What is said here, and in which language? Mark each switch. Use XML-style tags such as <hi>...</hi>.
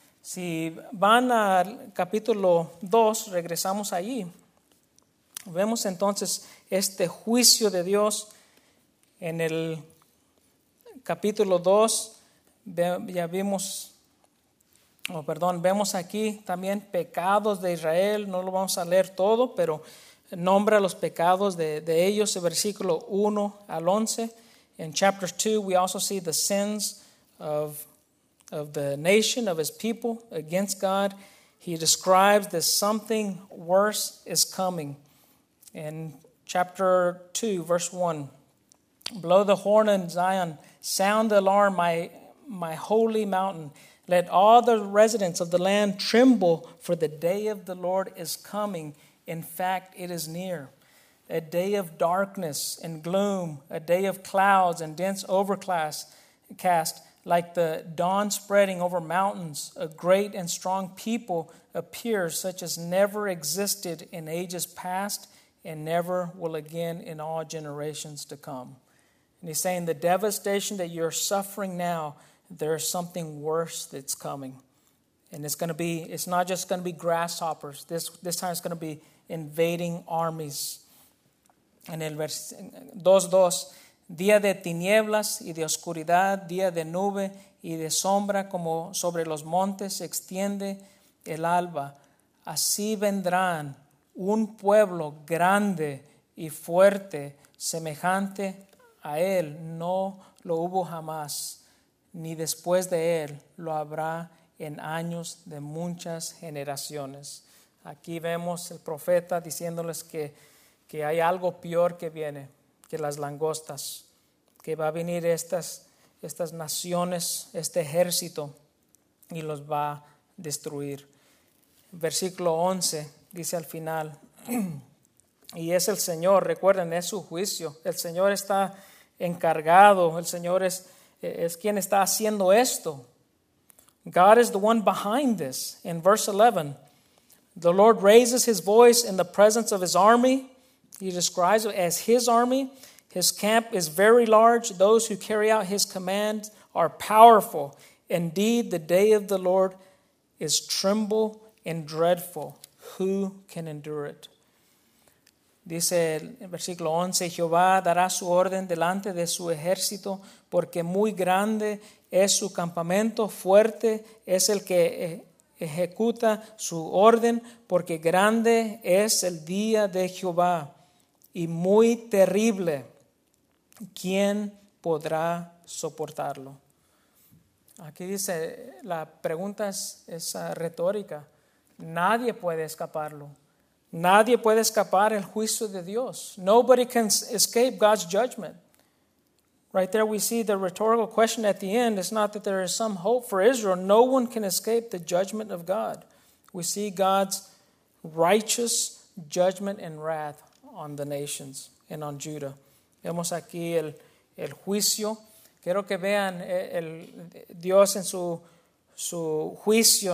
<es>Si van al capítulo 2, regresamos allí, vemos entonces este juicio de Dios en el capítulo 2, vemos aquí también pecados de Israel, no lo vamos a leer todo, pero nombra los pecados de ellos, el versículo 1 al 11.</es> <en>In chapter 2, we also see the sins of the nation, of his people, against God. He describes that something worse is coming. In chapter 2, verse 1, blow the horn in Zion, sound the alarm, my holy mountain. Let all the residents of the land tremble, for the day of the Lord is coming. In fact, it is near. A day of darkness and gloom, a day of clouds and dense overcast, like the dawn spreading over mountains, a great and strong people appears, such as never existed in ages past and never will again in all generations to come. And he's saying the devastation that you're suffering now, there's something worse that's coming. And it's not just going to be grasshoppers. This time it's going to be invading armies.</en> <es>En el 2:2, día de tinieblas y de oscuridad, día de nube y de sombra, como sobre los montes se extiende el alba. Así vendrán un pueblo grande y fuerte, semejante a él no lo hubo jamás, ni después de él lo habrá en años de muchas generaciones. Aquí vemos el profeta diciéndoles que hay algo peor que viene, que las langostas, que va a venir estas naciones, este ejército, y los va a destruir. Versículo 11 dice al final, y es el Señor, recuerden, es su juicio. El Señor está encargado, el Señor es quien está haciendo esto.</es> <en>God is the one behind this. In verse 11, the Lord raises his voice in the presence of his army. He describes it as his army. His camp is very large. Those who carry out his command are powerful. Indeed, the day of the Lord is tremble and dreadful. Who can endure it?</en> <es>Dice el versículo 11, Jehová dará su orden delante de su ejército, porque muy grande es su campamento, fuerte es el que ejecuta su orden, porque grande es el día de Jehová y muy terrible. ¿Quién podrá soportarlo? Aquí dice, la pregunta es retórica. Nadie puede escaparlo. Nadie puede escapar el juicio de Dios.</es> <en>Nobody can escape God's judgment. Right there we see the rhetorical question at the end. It's not that there is some hope for Israel. No one can escape the judgment of God. We see God's righteous judgment and wrath on the nations and on Judah.</en> <es>Vemos aquí el juicio. Quiero que vean el Dios en su juicio.</es>